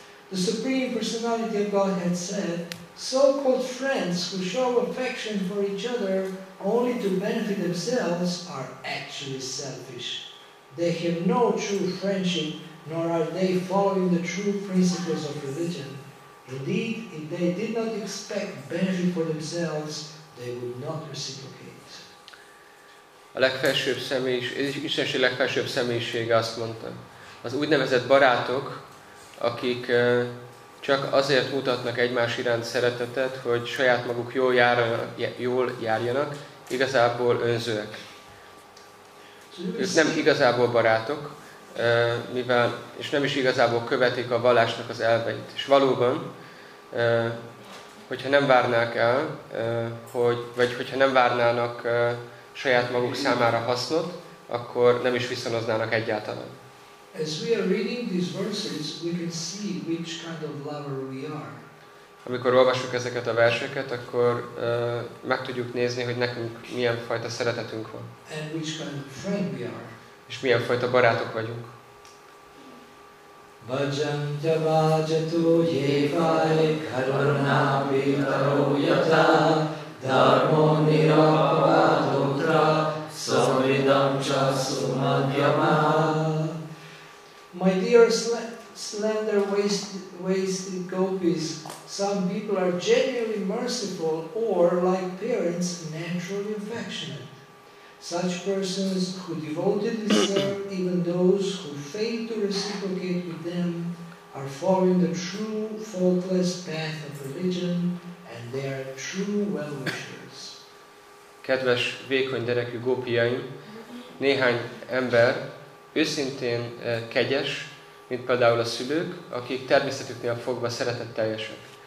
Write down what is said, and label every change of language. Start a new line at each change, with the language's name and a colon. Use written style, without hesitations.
English: The Supreme Personality of Godhead said, so-called friends who show affection for each other only to benefit themselves are actually selfish. They have no true friendship, nor are they following the true principles of religion. Indeed, if they did not expect benefit for themselves, they would not reciprocate.
Hungarian: A legfelsőbb Istenség legfelsőbb személyisége azt mondta, az úgynevezett barátok, akik csak azért mutatnak egymás iránt szeretetet, hogy saját maguk jól járjanak, igazából önzőek. Ők nem igazából barátok, mivel és nem is igazából követik a vallásnak az elveit. És valóban, hogyha nem várnák el, hogyha nem várnának saját maguk számára hasznot, akkor nem is viszonoznának egyáltalán.
English: As we are reading these verses, we can see which kind of lover we are.
Hungarian: Amikor olvassuk ezeket a verseket, akkor meg tudjuk nézni, hogy nekünk milyen fajta szeretetünk van.
English: And which kind of friend we are.
Hungarian: És milyen fajta barátok vagyunk.
Sanskrit: Vajjantya vajjato jevai karvarna pitaro yata dharmo nirapadutra samridam ca sumadhyama.
English: My dear slender wasted gopis, some people are genuinely merciful or, like parents, naturally affectionate. Such persons who devotedly serve even those who fail to reciprocate with them are following the true, faultless path of religion, and they are true well-wishers.
Hungarian: Kedves, vékony derekű gópiaim, néhány ember őszintén kegyes, mint például a szülők, akik természetüknél fogva szeretetteljesek.